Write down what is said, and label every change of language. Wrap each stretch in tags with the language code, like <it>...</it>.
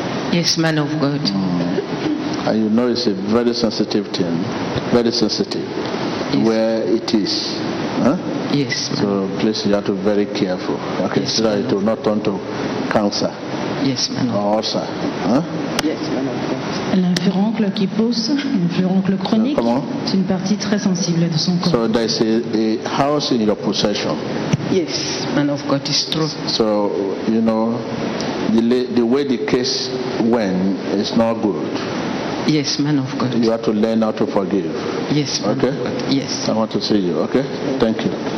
<en>Yes, man of God. And you know it's a very sensitive thing. Very sensitive. Yes. Where it is. Huh? Yes. So please you have to be very careful. Okay. Yes, so that it will not turn to cancer. Yes, man. Or ulcer. Yes, man of God.</en> <fr>L'infuroncle qui pousse, l'infuroncle chronique, c'est une partie très sensible de son corps.</fr> <en>So there is a house in your possession. Yes, man of God, it's true. So, you know, the way the case went is not good. Yes, man of God. You have to learn how to forgive. Yes, man okay? of God. Yes. I want to see you, okay? Thank you.</en>